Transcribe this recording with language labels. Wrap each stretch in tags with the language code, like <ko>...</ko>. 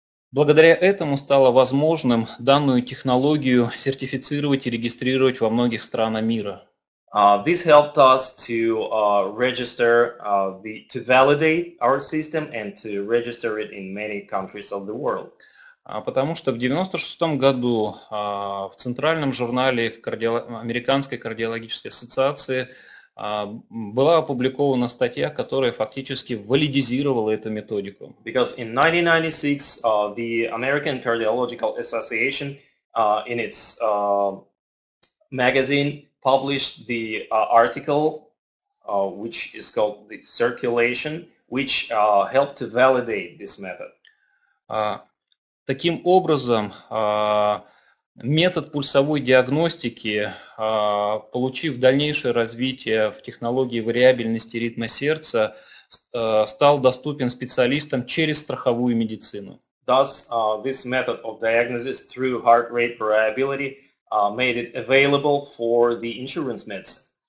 <ru>Благодаря этому стало возможным данную технологию сертифицировать и регистрировать во многих странах мира.</ru> <en>This helped us to register to validate our system and to register it in many countries of the world.</en> <ru>Потому что в 96 году в центральном журнале Американской кардиологической ассоциации была опубликована статья, которая фактически валидизировала эту методику.</ru> <en>Because in 1996 the American Cardiological Association in its magazine published the article which is called the Circulation, which helped to validate this method.</en> <ru>Таким образом, метод пульсовой диагностики, получив дальнейшее развитие в технологии вариабельности ритма сердца, стал доступен специалистам через страховую медицину.</ru> <en>Thus, this method of diagnosis through heart rate variability made it available for the insurance medicine.</en>